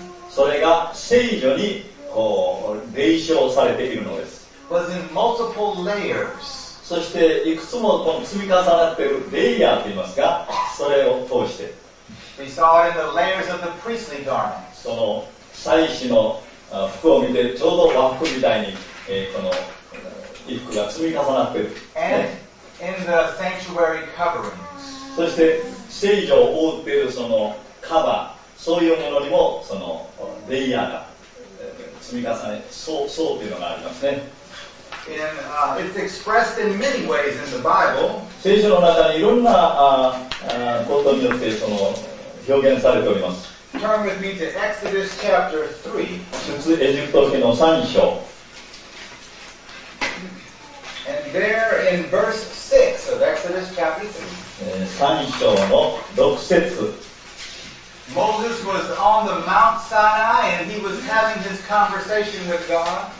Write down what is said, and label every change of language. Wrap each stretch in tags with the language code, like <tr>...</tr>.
<ja>それが聖所にこう霊障されているのです。</ja> <en>Was in multiple layers.</en> <ja>そしていくつもこの積み重なっているレイヤーといいますか、それを通して。</ja> <en>We saw it in the layers of the priestly garments.</en> <ja>その祭司の服を見て、ちょうど和服みたいに、この衣服が積み重なっている。</ja> <en>And in the sanctuary coverings.</en> <ja>そして聖所を覆っているそのカバー。そういうものにもそのレイヤーが積み重ね、層というのがありますね。</ja> <en>It's expressed in many ways in the Bible.</en> <ja>聖書の中にいろんなことによってその表現されております。</ja> <en>Turn with me to Exodus chapter 3.</en> <ja>出エジプト記の3章。</ja> <en>And there in verse 6 of Exodus chapter 3.</en> <ja>3章の6節。</ja> <en>Moses was on the Mount Sinai and he was having his conversation with God.</en>